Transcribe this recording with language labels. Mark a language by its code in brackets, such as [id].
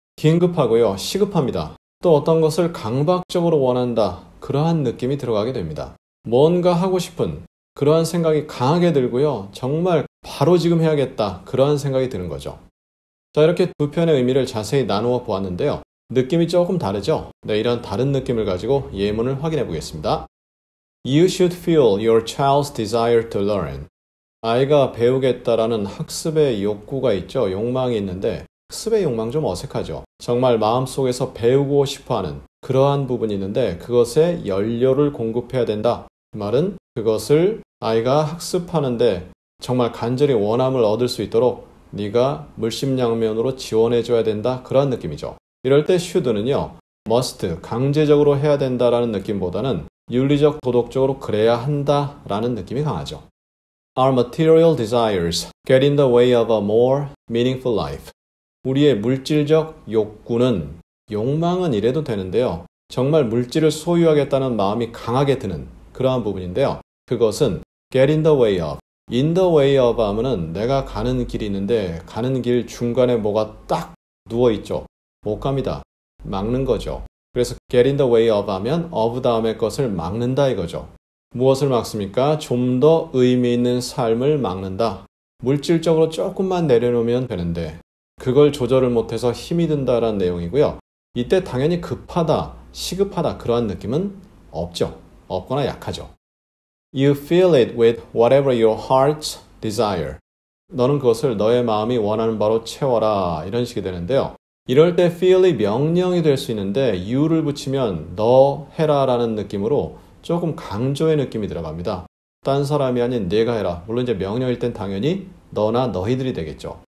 [ko] 긴급하고요, 시급합니다. 또 어떤 것을 강박적으로 원한다, 그러한 느낌이 들어가게 됩니다. 뭔가 하고 싶은 그러한 생각이 강하게 들고요, 정말 바로 지금 해야겠다, 그러한 생각이 드는 거죠. 자, 이렇게 두 편의 의미를 자세히 나누어 보았는데요. 느낌이 조금 다르죠? 네, 이런 다른 느낌을 가지고 예문을 확인해 보겠습니다. [en] You should feel your child's desire to learn. [ko] 아이가 배우겠다라는 학습의 욕구가 있죠. 욕망이 있는데 학습의 욕망 좀 어색하죠. 정말 마음속에서 배우고 싶어하는 그러한 부분이 있는데 그것에 연료를 공급해야 된다. 그 말은 그것을 아이가 학습하는데 정말 간절히 원함을 얻을 수 있도록 네가 물심양면으로 지원해줘야 된다. 그러한 느낌이죠. 이럴 때 should는요. must, 강제적으로 해야 된다라는 느낌보다는 윤리적, 도덕적으로 그래야 한다라는 느낌이 강하죠. [en] Our material desires get in the way of a more meaningful life. [ko] 우리의 물질적 욕구는, 욕망은 이래도 되는데요. 정말 물질을 소유하겠다는 마음이 강하게 드는 그러한 부분인데요. 그것은 get in the way of. In the way of 하면은 내가 가는 길이 있는데 가는 길 중간에 뭐가 딱 누워있죠. 못 갑니다. 막는 거죠. 그래서 get in the way of 하면 of 다음의 것을 막는다 이거죠. 무엇을 막습니까? 좀 더 의미 있는 삶을 막는다. 물질적으로 조금만 내려놓으면 되는데 그걸 조절을 못해서 힘이 든다라는 내용이고요. 이때 당연히 급하다, 시급하다 그러한 느낌은 없죠. 없거나 약하죠. [en] You fill it with whatever your heart's desire. [ko] 너는 그것을 너의 마음이 원하는 바로 채워라 이런 식이 되는데요. 이럴 때 feel이 명령이 될 수 있는데 you를 붙이면 너 해라 라는 느낌으로 조금 강조의 느낌이 들어갑니다. 딴 사람이 아닌 내가 해라. 물론 이제 명령일 땐 당연히 너나 너희들이 되겠죠.